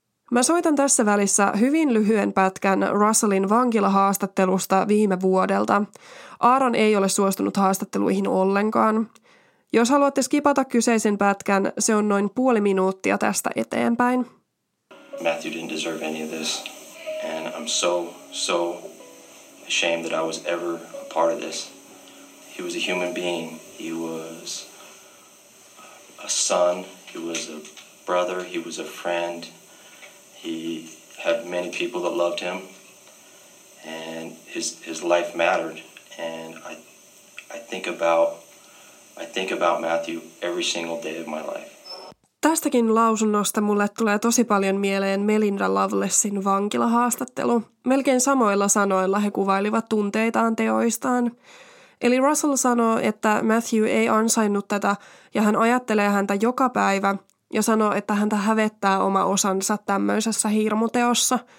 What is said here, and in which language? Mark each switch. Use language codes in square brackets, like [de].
[fi] Mä soitan tässä välissä hyvin lyhyen pätkän Russellin vankilahaastattelusta viime vuodelta. Aaron ei ole suostunut haastatteluihin ollenkaan. Jos haluatte skipata kyseisen pätkän, se on noin 30 minuuttia tästä eteenpäin. [en] Matthew didn't deserve any of this. And I'm so ashamed that I was ever a part of this. He was a human being. He was a son. He was a brother. He was a friend. He had many people that loved him, and his life mattered. And I think about Matthew every single day of my life. [fi] Tästäkin lausunnosta mulle tulee tosi paljon mieleen Melinda Lovelessin vankilahaastattelu. Melkein samoilla sanoilla he kuvailivat tunteitaan teoistaan. Eli Russell sanoo, että Matthew ei ansainnut tätä ja hän ajattelee häntä joka päivä ja sanoo, että häntä hävettää oma osansa tämmöisessä hirmuteossa.